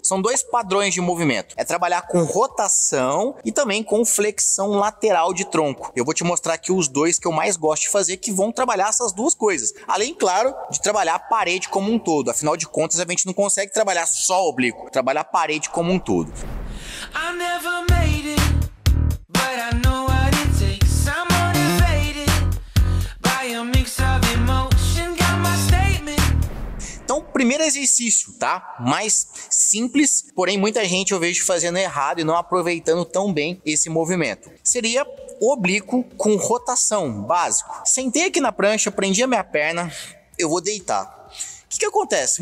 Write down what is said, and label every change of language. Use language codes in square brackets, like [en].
[pt] São dois padrões de movimento. É trabalhar com rotação e também com flexão lateral de tronco. Eu vou te mostrar aqui os dois que eu mais gosto de fazer, que vão trabalhar essas duas coisas. Além, claro, de trabalhar a parede como um todo. Afinal de contas, a gente não consegue trabalhar só o oblíquo. Trabalhar a parede como um todo. [en] I never made it, but I know what it takes. I'm motivated by a mix of emotion, got my statement. [pt] Então, primeiro exercício, tá? Mais simples, porém muita gente eu vejo fazendo errado e não aproveitando tão bem esse movimento. Seria oblíquo com rotação, básico. Sentei aqui na prancha, prendi a minha perna, eu vou deitar. O que acontece?